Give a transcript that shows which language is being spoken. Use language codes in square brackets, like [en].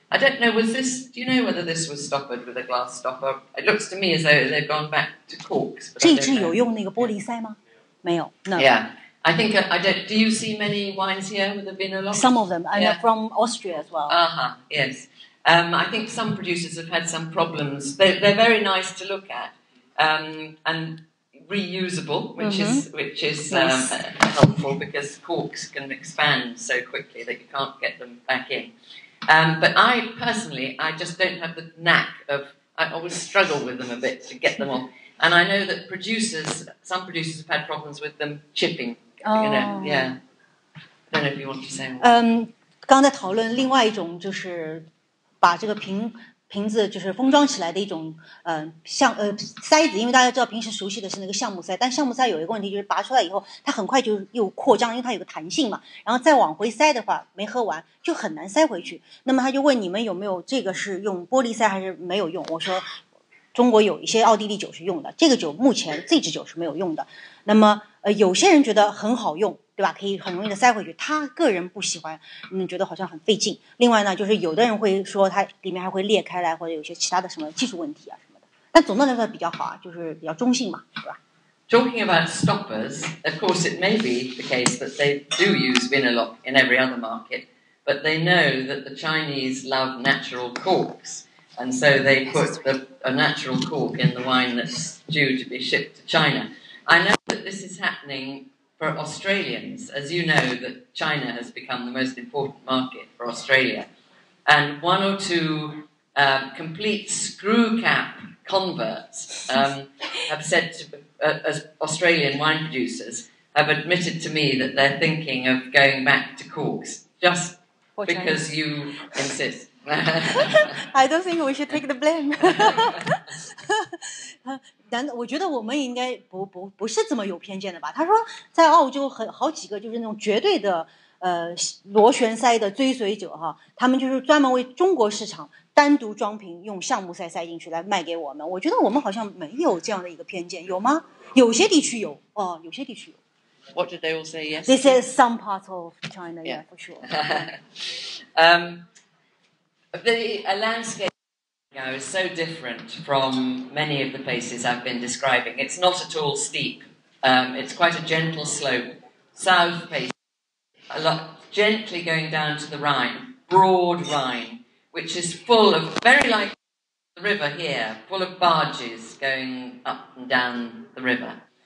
[en] I don't know, do you know whether this was stoppered with a glass stopper? It looks to me as though they've gone back to corks. [zh] 这支有用那个玻璃塞吗？没有。 [en] Yeah, I think, I don't, do you see many wines here with a Pinot Noir? Some of them, and they're from Austria as well. Yes. I think some producers have had some problems. They're very nice to look at and reusable, which is helpful because corks can expand so quickly that you can't get them back in. But I personally, I just don't have the knack of, I always struggle with them a bit to get them on. And I know that some producers have had problems with them chipping. I don't know if you want to say more. [zh] 刚才讨论另外一种就是把这个瓶子就是封装起来的一种塞子，因为大家知道平时熟悉的是那个橡木塞，但橡木塞有一个问题就是拔出来以后它很快就又扩张，因为它有个弹性嘛，然后再往回塞的话没喝完就很难塞回去。那么他就问你们有没有这个是用玻璃塞还是没有用，我说中国有一些奥地利酒是用的，这个酒目前这支酒是没有用的。那么有些人觉得很好用，对吧，可以很容易的塞回去，他个人不喜欢，觉得好像很费劲。另外呢就是有的人会说它里面还会裂开来，或者有些其他的什么技术问题啊什么的，但总的来说比较好啊，就是比较中性嘛，是吧。 [en] Talking about stoppers, of course it may be the case that they do use Vinalock in every other market, but they know that the Chinese love natural corks, and so they put a natural cork in the wine that's due to be shipped to China. I know that this is happeningFor Australians, as you know, that China has become the most important market for Australia. And one or two complete screw cap converts have said to, as Australian wine producers, have admitted to me that they're thinking of going back to corks just because you insist. I don't think we should take the blame. [zh] 但我觉得我们应该不是这么有偏见的吧。他说在澳洲好几个就是那种绝对的螺旋塞的追随者哈，他们就是专门为中国市场单独装瓶用橡木塞塞进去来卖给我们。我觉得我们好像没有这样的一个偏见，有吗？有些地区有，有些地区有。 [en] What did they all say yes? They said some parts of China, yeah, for sure. A landscape is so different from many of the places I've been describing. It's not at all steep. It's quite a gentle slope, south pace, a lot, gently going down to the Rhine, broad Rhine, which is full of, very like the river here, full of barges going up and down the river.